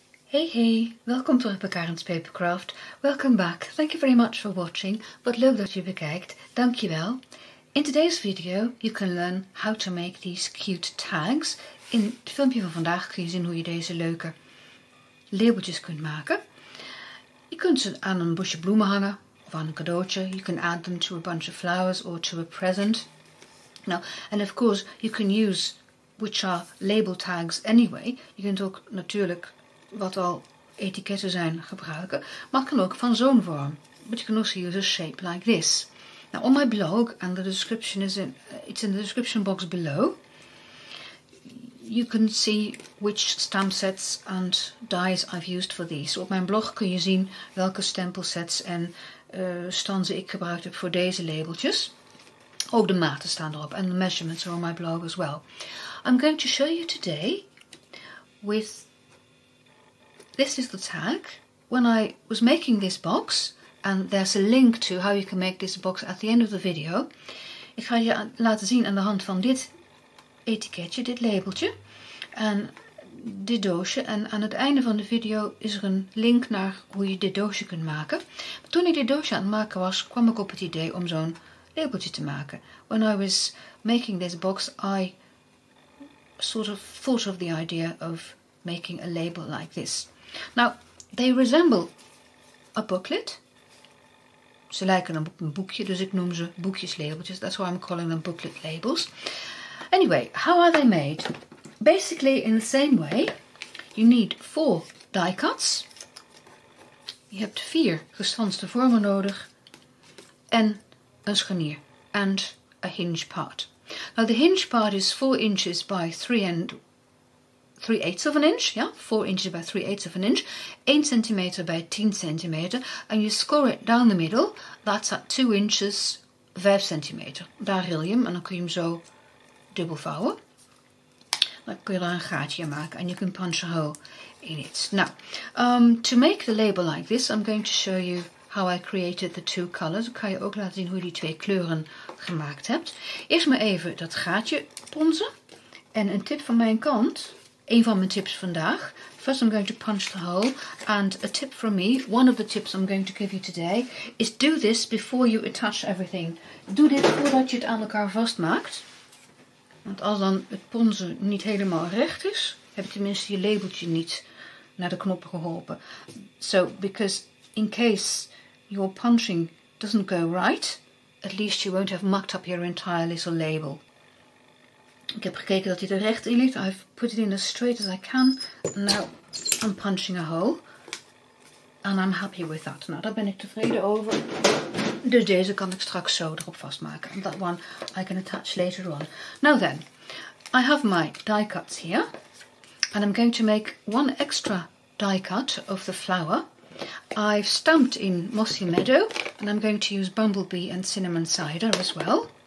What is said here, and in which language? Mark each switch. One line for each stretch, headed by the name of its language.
Dutch: Hey hey, welkom terug bij Karin's Papercraft.
English: Welcome back, thank you very much for watching.
Dutch: Wat leuk dat je bekijkt, dankjewel.
English: In today's video you can learn how to make these cute tags.
Dutch: In het filmpje van vandaag kun je zien hoe je deze leuke labeltjes kunt maken. Je kunt ze aan een bosje bloemen hangen of aan een cadeautje.
English: You can add them to a bunch of flowers or to a present. Now, and of course you can use which are label tags anyway.
Dutch: Je kunt ook natuurlijk wat al etiketten zijn gebruiken, maar kan ook van zo'n vorm.
English: But you can also use a shape like this. Now on my blog, and the description is in, it's in the description box below, you can see which stamp sets and dies I've used for these.
Dutch: So op mijn blog kun je zien welke stempelsets en stansen ik gebruikt heb voor deze labeltjes. Ook de maten staan erop,
English: and the measurements are on my blog as well. I'm going to show you today with this is the tag. When I was making this box, and there's a link to how you can make this box at the end of the video,
Dutch: ik ga je laten zien aan de hand van dit etiketje, dit labeltje, en dit doosje. En aan het einde van de video is er een link naar hoe je dit doosje kunt maken. Maar toen ik dit doosje aan het maken was, kwam ik op het idee om zo'n labeltje te maken.
English: When I was making this box, I sort of thought of the idea of making a label like this. Now, they resemble a booklet.
Dutch: Ze lijken op een boekje, dus ik noem ze boekjeslabeltjes.
English: That's why I'm calling them booklet labels. Anyway, how are they made? Basically, in the same way, you need 4 die cuts.
Dutch: Je hebt 4 gestanste vormen nodig. En een scharnier.
English: And a hinge part. Now, the hinge part is 4 inches by 3/8 of an inch, yeah, 4 inches by 3/8 of an inch, 1 centimeter by 10 centimeter, and you score it down the middle, that's at 2 inches, 5 centimeter.
Dutch: Daar ril je hem, en dan kun je hem zo dubbel vouwen. Dan kun je daar een gaatje maken,
English: and you can punch a hole in it. Now, to make the label like this, I'm going to show you how I created the 2 colors.
Dutch: Ik kan je ook laten zien hoe je die 2 kleuren gemaakt hebt. Eerst maar even dat gaatje ponzen, en een tip van mijn kant. Een van mijn tips vandaag.
English: First I'm going to punch the hole. And a tip from me, one of the tips I'm going to give you today, is do this before you attach everything.
Dutch: Doe dit voordat je het aan elkaar vastmaakt. Want als dan het ponzen niet helemaal recht is, heb je tenminste je labeltje niet naar de knoppen geholpen.
English: So, because in case your punching doesn't go right, at least you won't have mucked up your entire little label.
Dutch: Ik heb gekeken dat hij er recht in ligt.
English: I've put it in as straight as I can. Now I'm punching a hole. And I'm happy with that.
Dutch: Nou, daar ben ik tevreden over. Dus deze kan ik straks zo erop vastmaken.
English: And that one I can attach later on. Now then, I have my die cuts here. And I'm going to make one extra die cut of the flower. I've stamped in Mossy Meadow. And I'm going to use Bumblebee and Cinnamon Cider as well.